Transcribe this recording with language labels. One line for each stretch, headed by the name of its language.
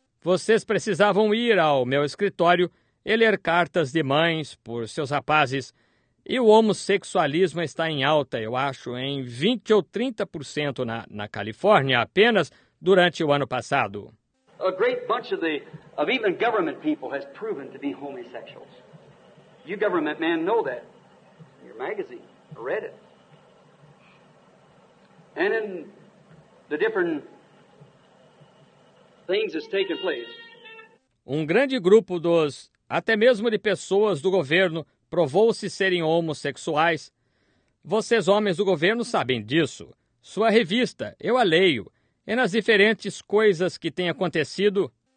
Portuguese: Vocês precisavam ir ao meu escritório e ler cartas de mães por seus rapazes. E o homossexualismo está em alta, eu acho, em 20 ou 30% na Califórnia apenas durante o ano passado.
English: A great bunch of even government people has proven to be homosexuals. You government men know that. Your magazine, I read it. And in the different things that's taken place.
Portuguese: Um grande grupo dos, até mesmo de pessoas do governo, provou-se serem homossexuais. Vocês, homens do governo, sabem disso. Sua revista, eu a leio. E nas diferentes coisas que têm acontecido...